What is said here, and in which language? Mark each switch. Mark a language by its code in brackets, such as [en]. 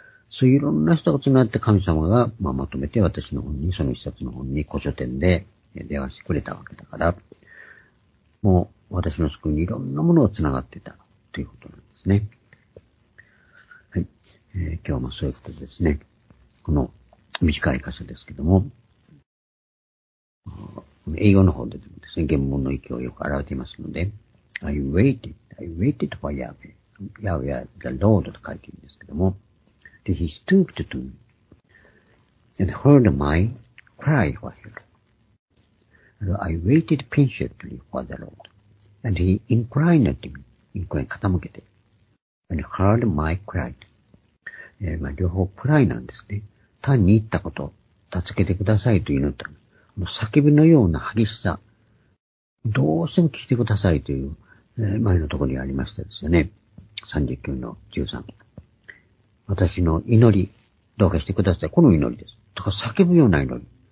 [ja] そういういろんな人が繋がって神様が、まあ、まとめて私の本に、その一冊の本に、古書店で、電話してくれたわけだから、もう私の救いにいろんなものをつながってたということなんですね。はい。今日もそういうことですね。この短い箇所ですけども、英語の方でですね、原文の勢いをよく表していますので、 [en] I waited for Yahweh. Yahweh the Lord [ja] と書いているんですけども、で、 [en] He stooped to me and heard my cry for help. I waited patiently for the Lord, and He inclined to me, [ja] 傾けて、 [en] and heard my cry. [ja] まあ、両方 cry なんですね。単に言ったこと、助けてくださいと祈った。この叫びのような激しさ、どうしても聞いてくださいという、前のところにありましたですよね。 39-13。私の祈り、どうかしてください。この祈りです。とか叫ぶような祈り。